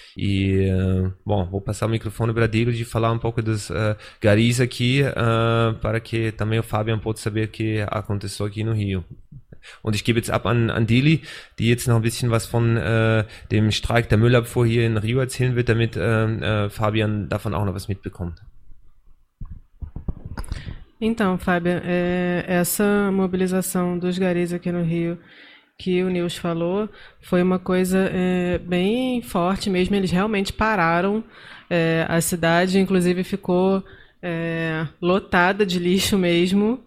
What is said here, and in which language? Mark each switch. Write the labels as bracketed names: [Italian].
[Portuguese] E bom, vou passar o microfone para Dilo de falar um pouco dos garis aqui, para que também o Fabian possa saber o que aconteceu aqui no Rio. [German] Und ich gebe jetzt ab an Dili, die jetzt noch ein bisschen was von dem Streik der Müllabfuhr hier in Rio erzählen wird, damit Fabian davon auch noch was mitbekommt. [Portuguese] Então, Fabian, essa mobilização dos garis aqui no Rio, que o Nils falou, foi uma coisa bem forte mesmo. Eles realmente pararam a cidade, inclusive ficou lotada de lixo mesmo.